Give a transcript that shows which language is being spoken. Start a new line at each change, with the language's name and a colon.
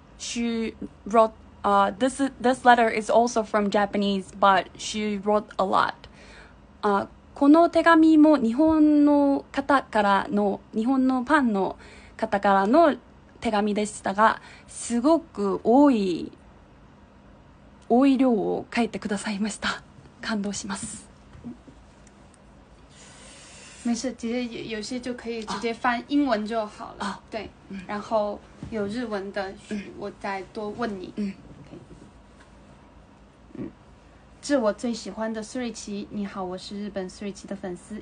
English: She wrote, this letter is also from Japanese, but she wrote a lot.
Japanese: この手紙も日本の方からの、日本のファンの方からの手紙でしたが、すごく多い量を書いてくださいました。感動します。
Chinese: 没事，直接有些就可以直接翻英文就好了。啊、对、嗯，然后有日文的，我再多问你。嗯，
English: okay.
Chinese: 致我最喜欢的 Ruiqi， 你好，我是日本 Ruiqi 的粉丝。